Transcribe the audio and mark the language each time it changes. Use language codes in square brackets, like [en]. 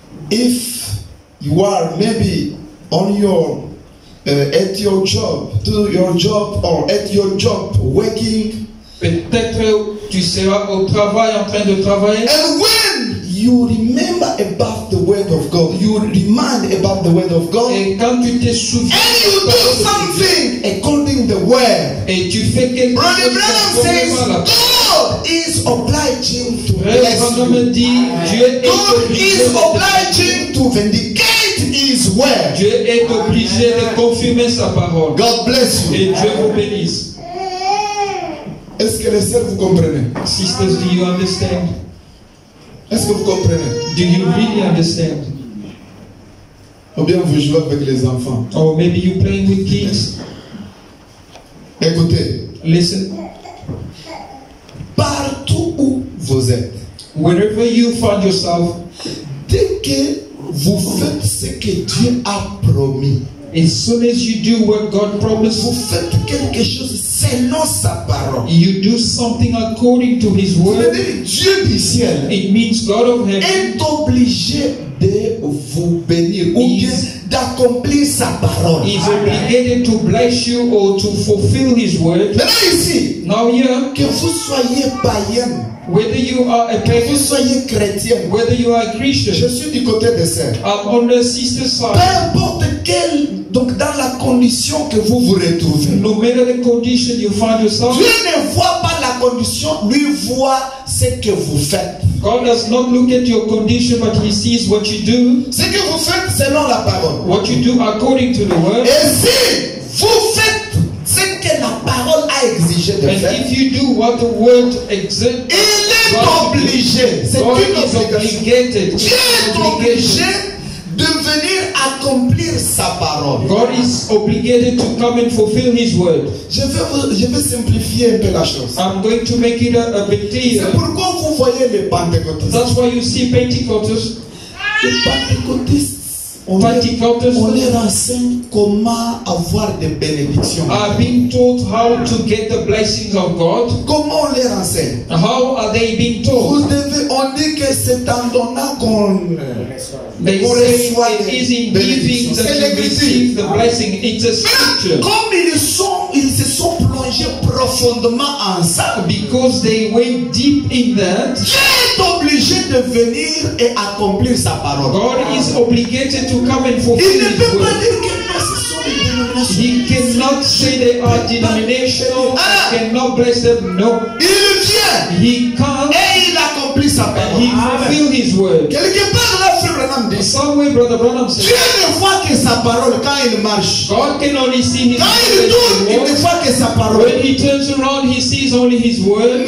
[en] if you are maybe on your at your job, do your job, or at your job, working. [fr] Peut-être tu seras au travail en train de travailler. [en] And when you remember about the word of God, you remind about the word of God. [fr] Et quand tu te souviens. [en] And you do something according to the word. [fr] Et tu fais quelque chose. [en] Brother Branham says, God is obliging to bless you. [fr] Me dit, Dieu [en] God is obliging to vindicate. His word. [fr] Dieu est obligé de confirmer sa parole. [en] God bless you. [fr] Et Dieu vous bénisse. Est-ce que les sœurs vous comprennent? [en] Sisters, do you understand? [fr] Est-ce que vous comprenez? [en] Do you really understand? [fr] Ou bien vous jouez avec les enfants? [en] Or maybe you playing with kids? [fr] Écoutez. [en] Listen. [fr] Partout où vous êtes. [en] Wherever you find yourself. [fr] Dès que vous faites ce que Dieu a promis. [en] As soon as you do what God promised, [fr] vous faites quelque chose selon sa parole. [en] You do something according to His word. [fr] Ça veut dire Dieu du ciel. [en] It means God of heaven. [fr] Est obligé de vous bénir ou bien d'accomplir sa parole. [en] He's obligated to bless you or to fulfill His word. [fr] Mais là ici, [en] now here, [fr] que vous soyez païen. [en] Whether you are a pagan, [fr] vous soyez chrétien, [en] whether you are a Christian, [fr] je suis du côté des saints. [en] I'm on the sister side. [fr] Peu importe quelle, donc dans la condition que vous vous retrouvez. [en] No matter the condition you find yourself. [fr] Dieu ne voit pas la condition, lui voit ce que vous faites. [en] God does not look at your condition, but He sees what you do. [fr] Ce que vous faites selon la parole. [en] What you do according to the word. [fr] Et si vous faites ce que la parole a exigé de [en] and [fr] faire. [en] If you do what the word exact, [fr] il est God obligé. Dieu est obligé de venir accomplir sa parole. [en] God is obligated to come and fulfill His word. [fr] Je vais simplifier un peu la chose. [en] I'm going to make it a bit clearer. [fr] C'est pourquoi vous voyez les Pentecôtistes. [en] That's why you see Pentecôtistes. [fr] Les Pentecôtistes. On leur enseigne comment avoir des bénédictions. [en] I've been taught how to get the blessings of God. [fr] Comment on leur enseigne? [en] How are they being taught? [fr] Vous devez, on dit que c'est en donnant qu'on reçoit des bénédictions. C'est l'Écriture. Mais comme ils se sont plongés profondément en ça, [en] because they went deep in that, [fr] Dieu est obligé de venir et accomplir sa parole. [en] God is obligated to come and fulfill it. He cannot say they are denominational. He cannot bless them. No. [fr] Il vient. [en] He comes. [fr] Et il accomplit sa parole. [en] He fulfills his word. [fr] Quelque part là, Frère Branham dit. [en] Somewhere, Brother Branham said. [fr] Dieu ne voit que sa parole quand il marche. [en] God can only see his [fr] word. Quand il tourne, il ne voit que sa parole. [en] When he turns around, he sees only his word.